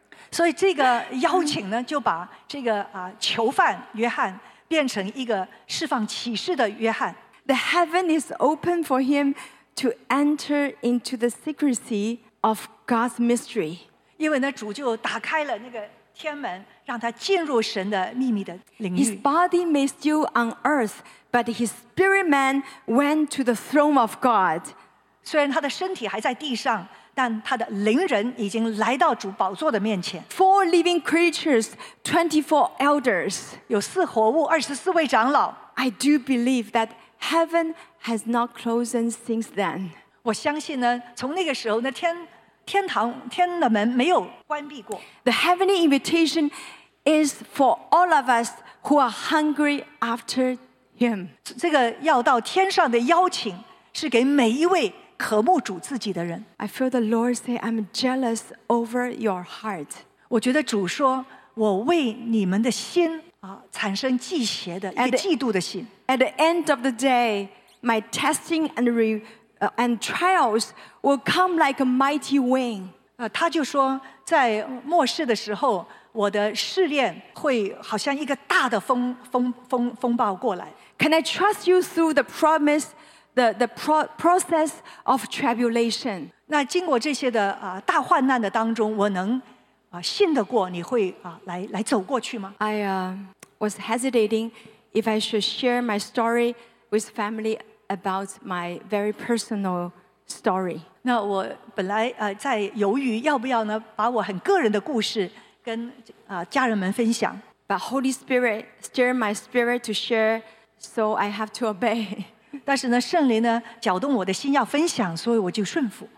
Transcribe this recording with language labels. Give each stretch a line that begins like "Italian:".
Chinese: 所以这个邀请呢，就把这个囚犯约翰变成一个释放启示的约翰。
English: The heaven is open for him to enter into the secrecy of God's mystery.
Chinese: 因为呢，主就打开了那个天门，让他进入神的秘密的领域。
English: His body may still on earth, but his spirit man went to the throne of God.
Chinese: 虽然他的身体还在地上，但他的灵人已经来到主宝座的面前。
English: Four living creatures, 24 elders.
Chinese: 有四活物，24位长老。
English: I do believe that heaven has not closed since then.
Chinese: 我相信呢，从那个时候，那天的门没有关闭过。
English: The heavenly invitation is for all of us who are hungry after him.
Chinese: 这个要到天上的邀请是给每一位渴慕主自己的人。
English: I feel the Lord say, I'm jealous over your heart.
Chinese: 我觉得主说，我为你们的心产生嫉邪的一个嫉妒的心。
English: At the end of the day, my testing and trials will come like a mighty wind.
Chinese: 他就说，在末世的时候，我的试炼会好像一个大的风暴过来。
English: Can I trust you through the promise? The process of tribulation.
Chinese: 那经过这些的大患难的当中，我能信得过你会来走过去吗？
English: I was hesitating if I should share my story with family about my very personal story.
Chinese: 那我本来在犹豫要不要呢把我很个人的故事跟家人们分享。
English: But Holy Spirit stirred my spirit to share, so I have to obey.
Chinese: 但是呢圣灵呢搅动我的心要分享，所以我就顺服。